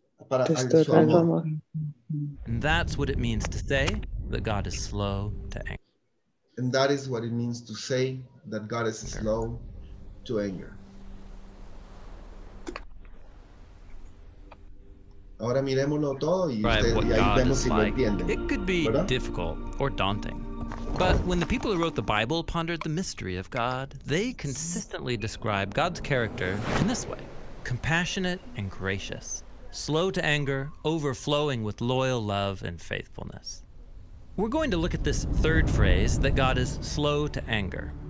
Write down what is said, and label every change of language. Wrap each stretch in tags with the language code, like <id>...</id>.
<en>And that's what it means to say that God is slow to anger. And that is what it means to say that God is slow to anger.</en> <es>Ahora miremoslo todo y ahí vemos si lo entienden.</es> <en>It could be difficult or daunting. But when the people who wrote the Bible pondered the mystery of God, they consistently describe God's character in this way: compassionate and gracious, slow to anger, overflowing with loyal love and faithfulness. We're going to look at this third phrase, that God is slow to anger.</en>